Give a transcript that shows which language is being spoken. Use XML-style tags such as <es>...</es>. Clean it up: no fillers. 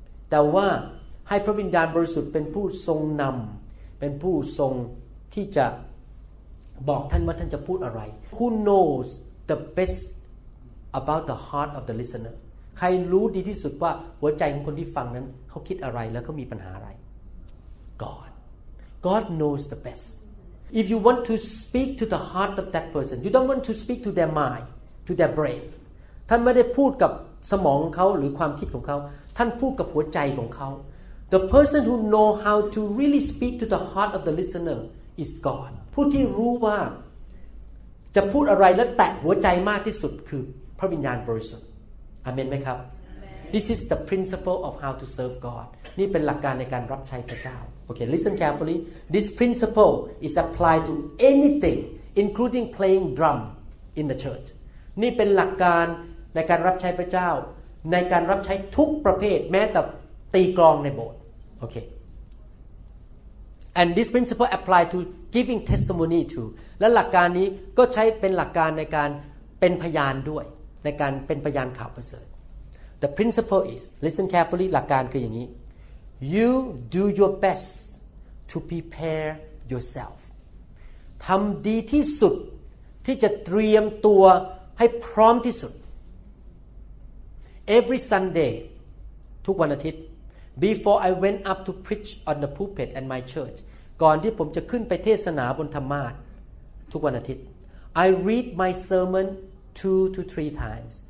<th>แต่ว่าให้พระวิญญาณบริสุทธิ์เป็นผู้ทรงนำเป็นผู้ทรงที่จะบอกท่านว่าท่านจะพูดอะไร</th> <en>Who knows the best about the heart of the listener?</en> <th>ใครรู้ดีที่สุดว่าหัวใจของคนที่ฟังนั้นเขาคิดอะไรแล้วเขามีปัญหาอะไร</th> <en>God. God knows the best. If you want to speak to the heart of that person, you don't want to speak to their mind, to their brain.</en> <th>ท่านไม่ได้พูดกับสมองของเขาหรือความคิดของเขาท่านพูดกับหัวใจของเขา</th> <en>The person who know how to really speak to the heart of the listener is God.</en> <th>ผู้ที่รู้ว่าจะพูดอะไรและแตะหัวใจมากที่สุดคือพระวิญญาณบริสุทธิ์ Amen ไหมครับ</th> <en>This is the principle of how to serve God.</en> <th>นี่เป็นหลักการในการรับใช้พระเจ้า</th> <en>Okay, listen carefully. This principle is applied to anything, including playing drum in the church.</en> <th>นี่เป็นหลักการในการรับใช้พระเจ้าในการรับใช้ทุกประเภทแม้แต่ตีกลองในโบสถ์</th> <en>Okay. And this principle applied to giving testimony too.</en> <th>และหลักการนี้ก็ใช้เป็นหลักการในการเป็นพยานด้วยในการเป็นพยานข่าวประเสริฐ</th> <en>The principle is, listen carefully,</en> <th>หลักการคืออย่างนี้</th> <en>You do your best to prepare yourself.</en> <th>ทำดีที่สุดที่จะเตรียมตัวให้พร้อมที่สุด</th> <en>Every Sunday,</en> <th>ทุกวันอาทิตย์</th> <en>Before I went up to preach on the pulpit at my church,</en> <th>ก่อนที่ผมจะขึ้นไปเทศนาบนธรรมาสน์ทุกวันอาทิตย์</th> <en>I read my sermon 2 to 3 times.</en>